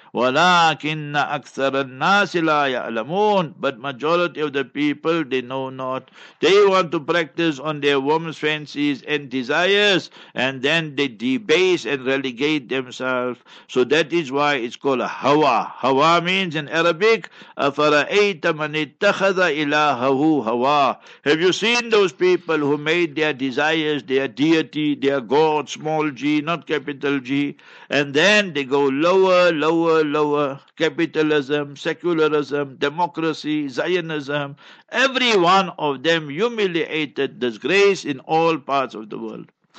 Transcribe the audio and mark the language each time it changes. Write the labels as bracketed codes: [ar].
[ar] وَلَاكِنَّ أَكْثَرَ النَّاسِ لَا يَعْلَمُونَ. [en] But majority of the people, they know not. They want to practice on their woman's fancies and desires, and then they debase and relegate themselves. So that is why it's called a hawa. Hawa means in Arabic, [ar] أَفَرَأَيْتَ مَنِ اتَّخَذَ إِلَاهَهُ هَوَى. [en] Have you seen those people who made their desires, their deity, their god, small g, not capital G, and then they go lower, lower, lower. Capitalism, secularism, democracy, Zionism, every one of them humiliated, disgraced in all parts of the world.